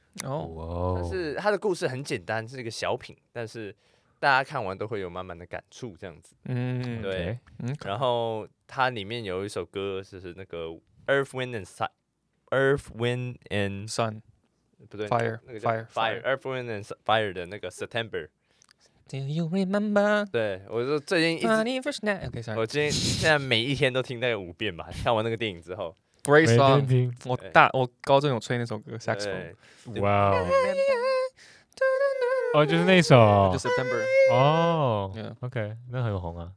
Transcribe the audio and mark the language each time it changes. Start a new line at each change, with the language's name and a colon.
Chinese: 哦，是他的故事很简单，是一个小品，但是大家看完都会有满满的感触，这样子。嗯，对。
English: Okay.
Chinese: 然后他里面有一首歌，就是那个《Earth, Wind and Sun》，《Earth, Wind and
English: Sun》，
Chinese: 不对，
English: 《Fire》
Chinese: 那个叫《
English: Fire》，
Chinese: 《Earth, Wind and Fire》的那个《September》。
English: Do you remember？
Chinese: 对，我就最近一直
English: first night. Okay, sorry.
Chinese: 我今天现在每一天都听大概五遍吧，看完那个电影之后。
English: Great song，
Chinese: 我高中有吹那首歌 saxophone，哇、wow ， 哦，就是那一首，就 September。哦、yeah. ，OK， 那很红啊，